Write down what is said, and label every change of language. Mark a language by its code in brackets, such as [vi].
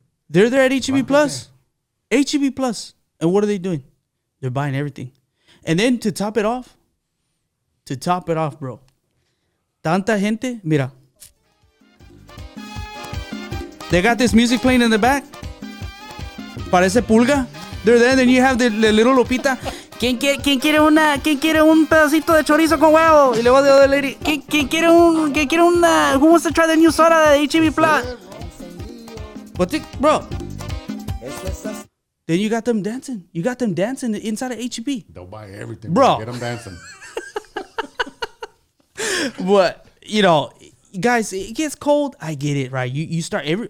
[en] They're there at HEB Plus. HEB Plus. And what are they doing? They're buying everything. And then to top it off, bro. [es] Tanta gente, mira. [en] They got this music playing in the back. [es] Parece pulga. [en] They're there, then you have the little Lupita. [es] ¿Quién quiere un pedacito de chorizo con huevo? Y luego [en] the other lady. [es] ¿Quién quiere una? [en] Who wants to try the new soda de HB Plus? But bro, then you got them dancing. You got them dancing inside of HEB. They'll buy everything. Bro. Get them dancing. But, you know, guys, it gets cold. I get it, right? You start every...